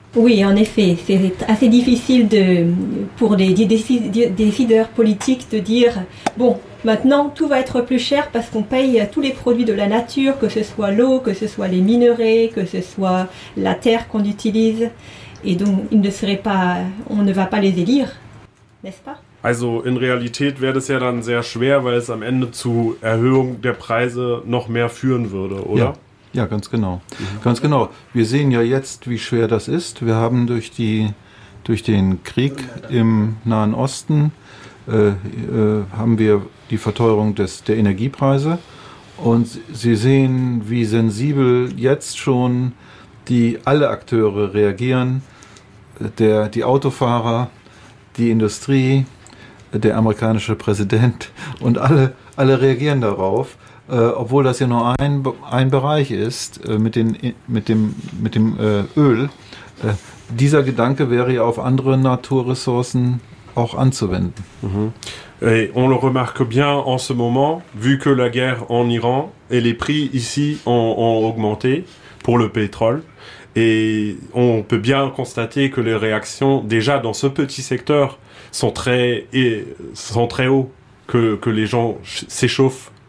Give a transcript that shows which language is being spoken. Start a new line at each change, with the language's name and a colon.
French: Oui, en effet, c'est assez difficile pour les décideurs politiques de dire « Bon, maintenant, tout va être plus cher parce qu'on paye tous les produits de la nature, que ce soit l'eau, que ce soit les minerais, que ce soit la terre qu'on utilise. » Et donc, on ne va pas les élire, n'est-ce pas ?
German: Also, in Realität wäre das ja dann sehr schwer, weil es am Ende zu Erhöhung der Preise noch mehr führen würde, oder? Ja. Ja, ganz genau. Ganz genau. Wir sehen ja jetzt, wie schwer das ist. Wir haben durch den Krieg im Nahen Osten haben wir die Verteuerung der Energiepreise. Und Sie sehen, wie sensibel jetzt schon alle Akteure reagieren. Die Autofahrer, die Industrie, der amerikanische Präsident und alle reagieren darauf. Obwohl das ja nur ein Bereich ist mit dem Öl, dieser Gedanke wäre ja auf andere Naturressourcen auch anzuwenden. Mm-hmm.
French: Et on le remarque bien en ce moment, vu que la guerre en Iran et les prix ici ont augmenté pour le pétrole. Et on peut bien constater que les réactions déjà dans ce petit secteur sont très hauts, que les gens s'échauffent.